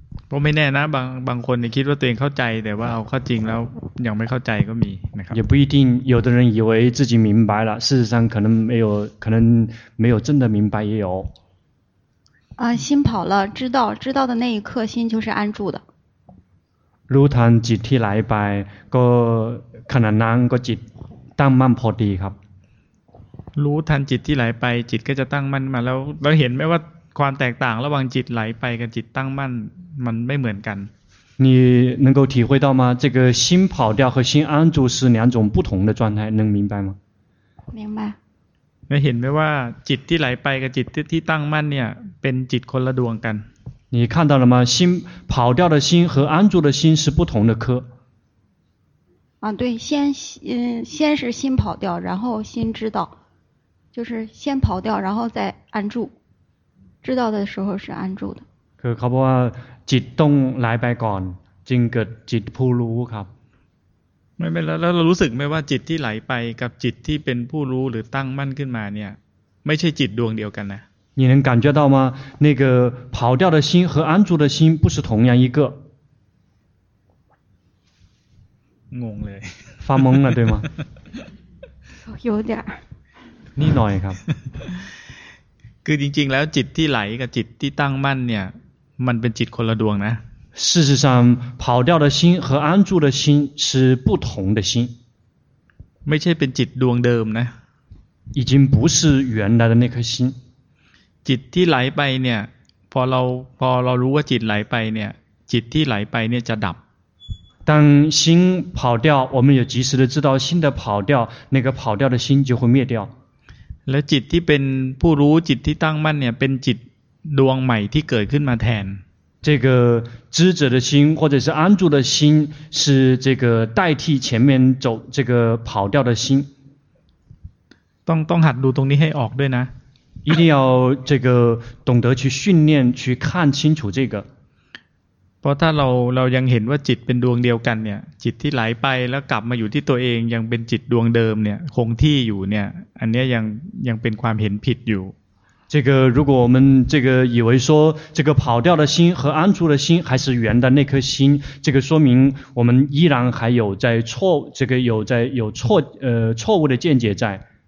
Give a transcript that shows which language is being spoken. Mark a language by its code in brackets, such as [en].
[zh] 我没 [th] แน่นะ บางคนเนี่ย คิดว่าตัวเองเข้าใจแต่ว่าเอาเข้าจริงแล้วยังไม่เข้าใจก็มีนะครับ [zh] 也不一定有的人以为自己明白了事实上可能没有可能没有真的明白也有啊，心跑了知道的那一刻心就是安住的 [th] รู้ทันจิตที่ไหลไปก็ขณะนั้นก็จิตตั้งมั่นพอดีครับ รู้ทันจิตที่ไหลไปจิตก็จะตั้งมั่นมาแล้วเราเห็นไหมว่าความแตกต่างระหว่างจิตไหลไปกับจิตตั้งมั่นมันไม่เหมือนกัน [zh] 你能够体会到吗这个心跑掉和心安住是两种不同的状态能明白吗明白 [th] 那เห็นไหมว่าจิตที่ไหลไปกับจิตที่ตั้งมั่นเนี่ยเป็นจิตคนละดวงกัน [zh] 你看到了吗心跑掉的心和安住的心是不同的科啊对先先是心跑掉然后心知道就是先跑掉然后再安住知道的时候是安住的 [th] คือเขาบอกว่าจิตต้องไหลไปก่อนจึงเกิดจิตผู้รู้ครับ ไม่แล้วเรารู้สึกไหมว่าจิตที่ไหลไปกับจิตที่เป็นผู้รู้หรือตั้งมั่นขึ้นมาเนี่ยไม่ใช่จิตดวงเดียวกันนะ [zh] 你能感觉到吗那个跑掉的心和安住的心不是同样一个 [th] งงเลย [zh] 发懵了对吗有点 [th] นี่หน่อยครับ คือจริงๆแล้วจิตที่ไหลกับจิตที่ตั้งมั่นเนี่ยมันเป็นจิตคนละดวงนะ [zh] 事实上跑掉的心和安住的心是不同的心 [th] ไม่ใช่เป็นจิตดวงเดิมนะ [zh] 已经不是原来的那颗心 [th] จิตที่ไหลไปเนี่ยพอเรารู้ว่าจิตไหลไปเนี่ยจิตที่ไหลไปเนี่ยจะดับ [zh] 当心跑掉我们也及时的知道心的跑掉那个跑掉的心就会灭掉 [th] และจิตที่เป็นผู้รู้จิตที่ตั้งมั่นเนี่ยเป็นจิตดวงใหม่ที่เกิดขึ้นมาแทน [zh] 这个知者的心或者是安住的心是这个代替前面走这个跑掉的心 [th] ต้องหัดดูตรงนี้ให้ออกด้วยนะ [zh] 一定要这个懂得去训练去看清楚这个 [th] เพราะถ้าเรายังเห็นว่าจิตเป็นดวงเดียวกันเนี่ยจิตที่ไหลไปแล้วกลับมาอยู่ที่ตัวเองยังเป็นจิตดวงเดิมเนี่ยคงที่อยู่เนี่ยอันนี้ยังเป็นความเห็นผิดอยู่ [zh] 这个如果我们这个以为说这个跑掉的心和安住的心还是圆的那颗心这个说明我们依然还有在错这个有在有错错误的见解在